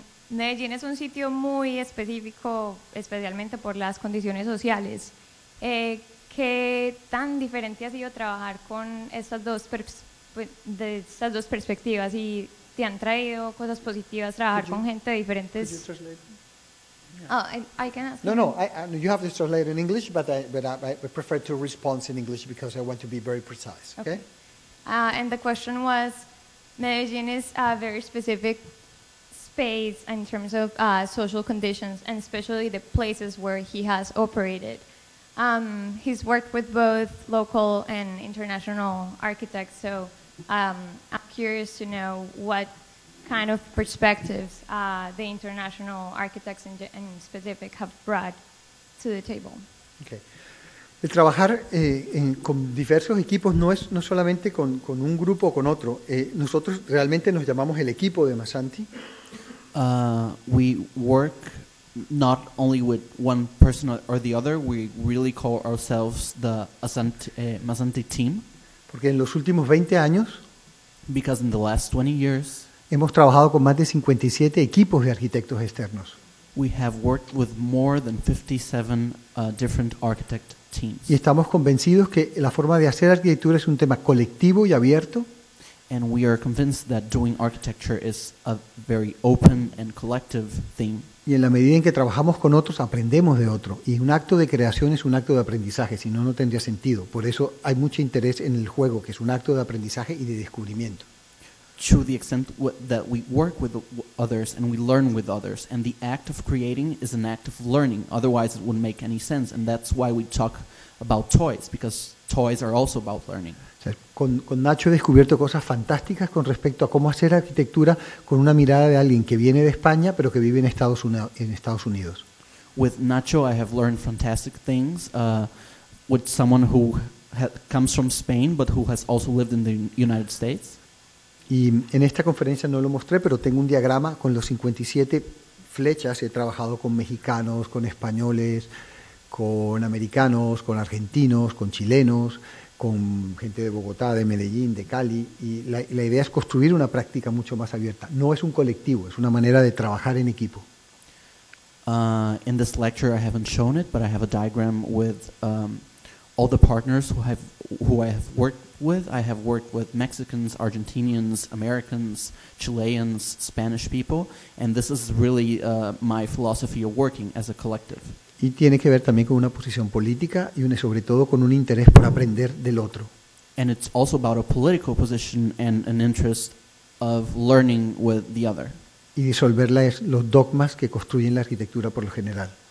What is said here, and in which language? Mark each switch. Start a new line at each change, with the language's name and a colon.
Spanish: Medellín es un sitio muy específico, especialmente por las condiciones sociales. ¿Qué tan diferente ha sido trabajar con estas dos perspectivas y te han traído cosas positivas trabajar con gente de diferentes?
English: Yeah. I can ask. No, no, you have to translate in English, but I prefer to respond in English because I want to be very precise, okay? And the question was, Medellín is a very specific space in terms of social conditions and especially the places where he has operated. He's worked with both local and international architects, so I'm curious to know what kind of perspectives the international architects in specific have brought to the table. Okay.
Spanish: El trabajar con diversos equipos no es no solamente con un grupo o con otro. Nosotros realmente nos llamamos el equipo de Mazzanti.
English: We work not only with one person or the other. We really call ourselves the Mazzanti team.
Spanish: Porque en los últimos 20 años,
English: because in the last 20 years,
Spanish: hemos trabajado con más de 57 equipos de arquitectos externos.
English: We have worked with more than 57 different architect teams.
Spanish: Y estamos convencidos que la forma de hacer arquitectura es un tema colectivo y abierto.
English: And we are convinced that doing architecture is a very open and collective thing.
Spanish: Y en la medida en que trabajamos con otros, aprendemos de otro. Y un acto de creación es un acto de aprendizaje, si no, no tendría sentido. Por eso hay mucho interés en el juego, que es un acto de aprendizaje y de descubrimiento.
English: To the extent that we work with others and we learn with others, and the act of creating is an act of learning. Otherwise, it wouldn't make any sense. And that's why we talk about toys, because toys are also about learning.
Spanish: Con Nacho he descubierto cosas fantásticas con respecto a cómo hacer arquitectura con una mirada de alguien que viene de España pero que vive en Estados Unidos.
English: With Nacho, I have learned fantastic things with someone who comes from Spain but who has also lived in the United States.
Spanish: Y en esta conferencia no lo mostré, pero tengo un diagrama con los 57 flechas. He trabajado con mexicanos, con españoles, con americanos, con argentinos, con chilenos, con gente de Bogotá, de Medellín, de Cali. Y la idea es construir una práctica mucho más abierta. No es un colectivo, es una manera de trabajar en equipo.
English: In this lecture I haven't shown it, but I have a diagram with all the partners who I have worked with. I have worked with Mexicans, Argentinians, Americans, Chileans, Spanish people, and this is really my philosophy of working as a collective.
Spanish: Y tiene que ver también con una posición política y sobre todo con un interés por aprender del otro.
English: And it's also about a political position and an interest of learning with the other.
Spanish: Y disolver los dogmas que construyen la arquitectura por lo general.